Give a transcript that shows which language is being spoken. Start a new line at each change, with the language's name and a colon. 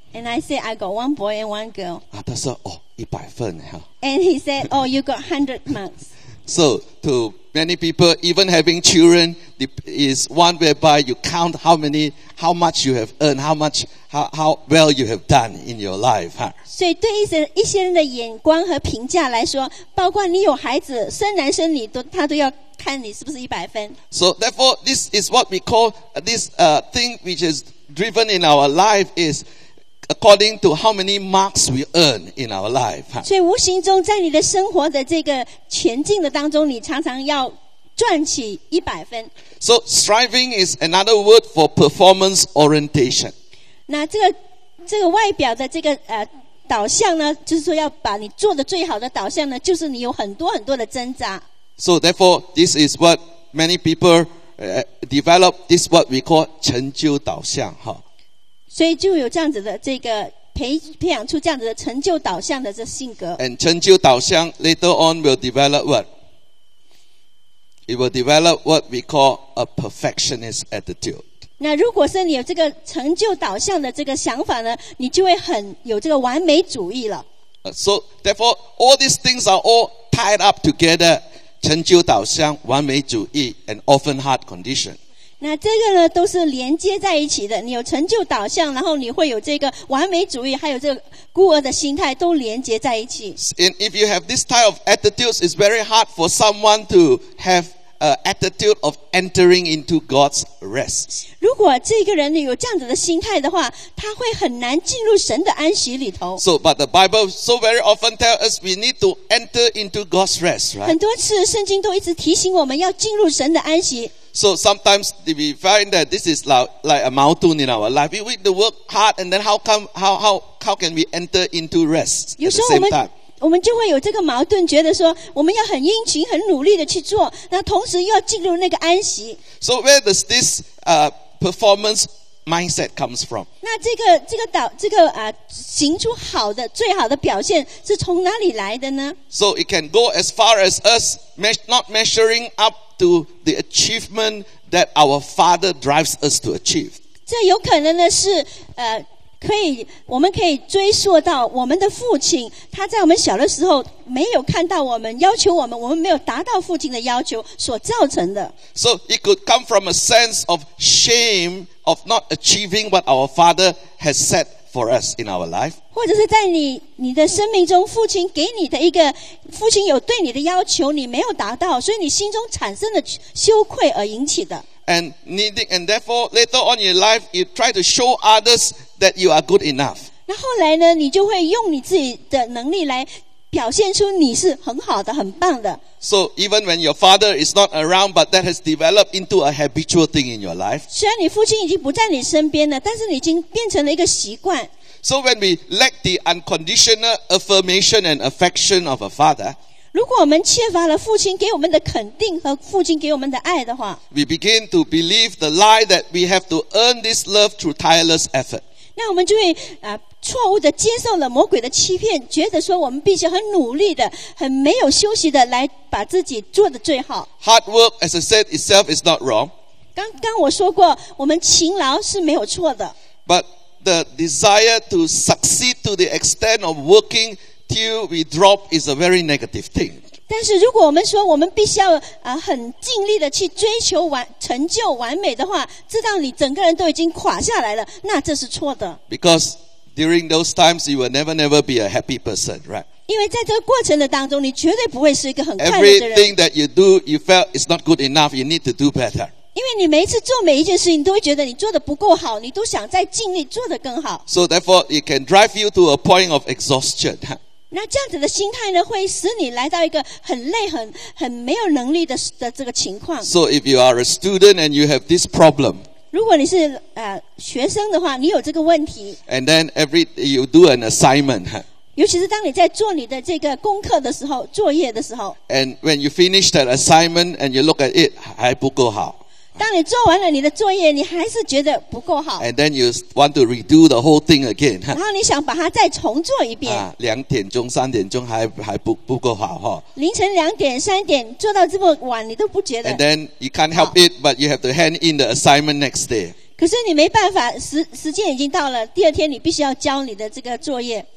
English: And I said I got one boy and one girl.
Chinese: 啊，他说哦，一百分哈。
English: And he said, oh, you got 100 marks. So to many people, even having children is one whereby you count how much you have earned, how well you have done in your life.
Chinese: 所以对一些人的眼光和评价来说，包括你有孩子，生男生女都他都要看你是不是一百分。
English: So therefore, this is what we call this thing which is driven in our life is. According to how many marks we earn in our life.
Chinese: 所以无形中在你的生活的这个前进的当中你常常要赚取一百分。
English: So striving is another word for performance orientation.
Chinese: 那这个外表的这个导向呢就是说要把你做的最好的导向呢就是你有很多很多的挣扎。
English: So therefore, this is what many people develop, this is what we call
Chinese: 成就导向。所以就有这样子的这个培养出这样子的成就导向的这性格。
English: And
Chinese: 成就导向
English: later on will develop what? It will develop what we call a perfectionist attitude.
Chinese: 那如果是你有这个成就导向的这个想法呢，你就会很有这个完美主义了。
English: So therefore, all these things are all tied up together:
Chinese: 成就导向、完美主义
English: ，and often hard condition.
Chinese: 那这个呢都是连接在一起的，你有成就导向，然后你会有这个完美主义，还有这个孤儿的心态都连接在一起。
English: And if you have this type of attitudes, it's very hard for someone to have an attitude of entering into God's rest.
Chinese: 如果这个人有这样子的心态的话，他会很难进入神的安息里头。
English: So, but the Bible so very often tells us we need to enter into God's rest, right?
Chinese: 很多次圣经都一直提醒我们要进入神的安息。
English: So sometimes we find that this is like a mountain in our life. We need to work hard, and then how can we enter into rest at the same time?
Chinese: 我们就会有这个矛盾，觉得说我们要很殷勤、很努力的去做，那同时又要进入那个安息。
English: So where does this performance mindset comes from?
Chinese: 那这个行出好的、最好的表现是从哪里来的呢
English: ？So it can go as far as us not measuring up. To the achievement that our Father drives us to achieve.
Chinese: 这有可能呢是可以我们可以追溯到我们的父亲，他在我们小的时候没有看到我们，要求我们，我们没有达到父亲的要求所造成的。
English: So it could come from a sense of shame of not achieving what our Father has set for us in our life.
Chinese: 或者是在你的生命中父亲给你的一个父亲有对你的要求你没有达到所以你心中产生了羞愧而引起的
English: and therefore later on in your life you try to show others that you are good enough
Chinese: 那后来呢你就会用你自己的能力来表现出你是很好的很棒的
English: so even when your father is not around but that has developed into a habitual thing in your life
Chinese: 虽然你父亲已经不在你身边了但是你已经变成了一个习惯
English: So when we lack the unconditional affirmation and affection of a father,
Chinese: 如果我们缺乏了父亲给我们的肯定和父亲给我们的爱的话
English: we begin to believe the lie that we have to earn this love through tireless effort.
Chinese: 那我们就会错误地接受了魔鬼的欺骗，觉得说我们必须很努力的、很没有休息的来把自己做得最好。
English: Hard work, as I said, itself is not wrong.
Chinese: 刚我说过，我们勤劳是没有错的。
English: But the desire to succeed to the extent of working till we drop is a very negative thing.
Chinese: 但是如果我们说我们必须要很尽力的去追求成就完美的话，知道你整个人都已经垮下来了，那这是错的。
English: Because during those times you will never be a happy person, right?
Chinese: 因为在这个过程的当中，你绝对不会是一个很快乐的人。
English: Everything that you do, you felt is not good enough. You need to do better.
Chinese: 因为你每一次做每一件事情，你都会觉得你做得不够好，你都想再尽力做得更好。
English: So therefore, it can drive you to a point of exhaustion.
Chinese: 那这样子的心态呢，会使你来到一个很累、很没有能力的这个情况。
English: So if you are a student and you have this problem,
Chinese: 如果你是学生的话，你有这个问题。
English: And then every you do an assignment.
Chinese: 尤其是当你在做你的这个功课的时候，作业的时候。
English: And when you finish that assignment and you look at it,
Chinese: 还不够好。当你做完了你的作业，你还是觉得不够好。
English: And then you want to redo the whole thing again.
Chinese: 然后你想把它再重做一遍。两点钟、三点钟还不够好哈。凌晨两点、三点做到这么晚，你都不觉得。
English: And then you can't help it, but you have to hand in the assignment next day.
Chinese: 可是你没办法，时间已经到了，第二天你必须要交你的这个作业。